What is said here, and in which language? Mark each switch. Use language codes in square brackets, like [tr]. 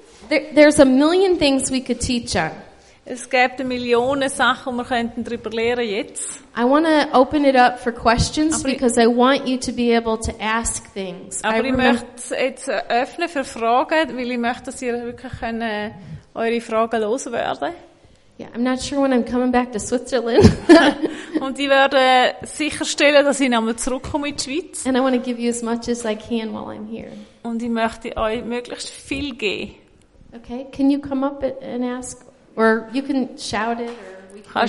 [en] There's a million things we could teach on. [de] Es gibt Millionen Sachen, wir könnten drüber lernen jetzt. [en] I want to open it up for questions because I want you to be able to ask things. [de] Aber ich möchte es jetzt öffnen für Fragen, weil ich möchte, dass ihr wirklich können, eure Fragen loswerden. [en] Yeah, I'm not sure when I'm coming back to Switzerland. [de] Und ich werde sicherstellen, dass ich nochmal zurückkomme in die Schweiz. [en] And I want to give you as much as I can while I'm here. [de] Und ich möchte euch möglichst viel geben. [en] Okay, can you come up and ask? Or you can shout it, or we can